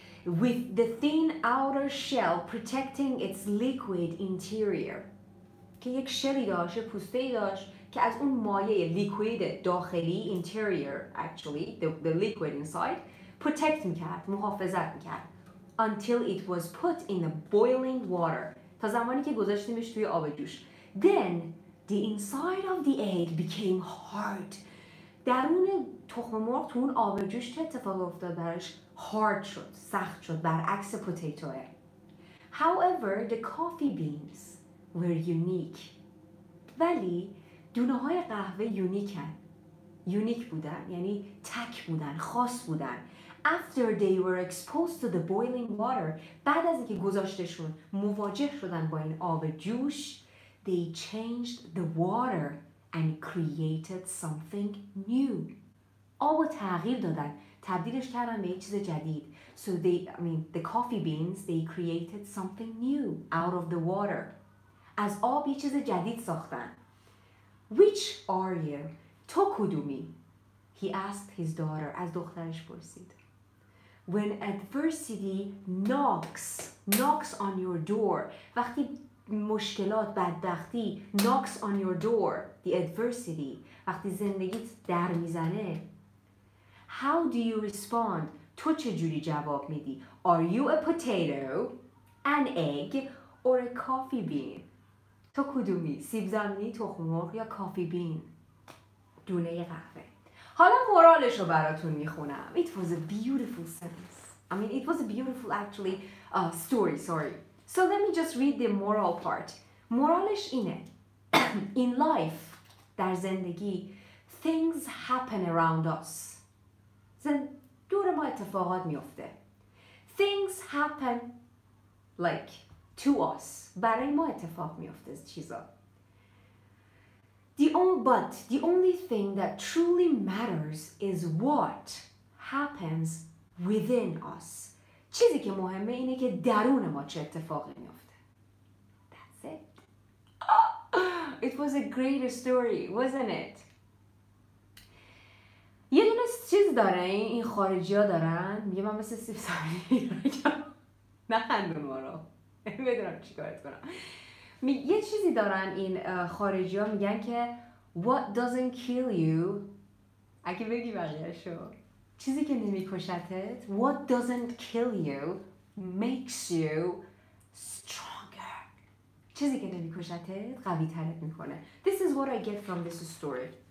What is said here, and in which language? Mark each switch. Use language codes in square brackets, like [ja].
[en] With the thin outer shell protecting its liquid interior. [fa] که یک شلی داشت، یک پوسته داشت که از اون مایه لیکوید داخلی، [en] interior actually, the liquid inside, protect [fa] میکرد، محافظت میکرد. [en] Until it was put in the boiling water. [fa] تا زمانی که گذاشتیمش توی آب جوش. [en] Then, the inside of the egg became hard. [fa] درون تخم مرغ تو اون آب جوش چه اتفاق افتاد برش؟ [en] Hard [fa] شد، سخت شد، برعکس پوتیتوه. [en] However, the coffee beans were unique. [fa] ولی دونه های قهوه یونیکن. یونیک بودن. یعنی تک بودن. خاص بودن. [en] After they were exposed to the boiling water، [fa] بعد از اینکه گذاشتشون مواجه شدن با این آب جوش، [en] they changed the water and created something new. [fa] آب رو تغییر دادن. تبدیلش کردن به یه چیز جدید. [en] So the coffee beans, they created something new out of the water. [fa] از آب یه چیز جدید ساختن. [en] Which are you? [fa] تو کدومی؟ [en] He asked his daughter. [fa] از دخترش پرسید. [en] When adversity knocks on your door. [fa] وقتی مشکلات، بدبختی [en] knocks on your door. The adversity. [fa] وقتی زندگیت در میزنه. [en] How do you respond? [fa] تو چه جوری جواب میدی؟ [en] Are you a potato, an egg, or a coffee bean? [fa] تو کدومی؟ سیب زمینی، تخم مرغ یا کافی بین؟ دونه قهوه. حالا مورالش رو براتون میخونم. [en] It was a beautiful sentence. I mean, it was a beautiful actually story, sorry. So let me just read the moral part. [fa] مورالش اینه. [en] In life, [fa] در زندگی, [en] things happen around us. [fa] دور ما اتفاقات میفته. [en] Things happen like to us. [fa] برای ما اتفاق میفته چیزا. [en] The only thing that truly matters is what happens within us. [fa] چیزی که مهمه اینه که درون ما چه اتفاقی میفته. [en] That's it. It was a great story, wasn't it? [fa] یه دونه چیز داره این خارجی ها دارن. میگه من مثل سیب زمینی نه خندون ما رو بدونم چی کارت کنم. یه چیزی دارن این خارجی ها میگن که [en] What doesn't kill you [fa] اگه بگی بقیه شو چیزی که نمی کشتت [en] What doesn't kill you makes you stronger. [fa] چیزی که نمی کشتت قوی ترت میکنه. [en] This is what I get from this story.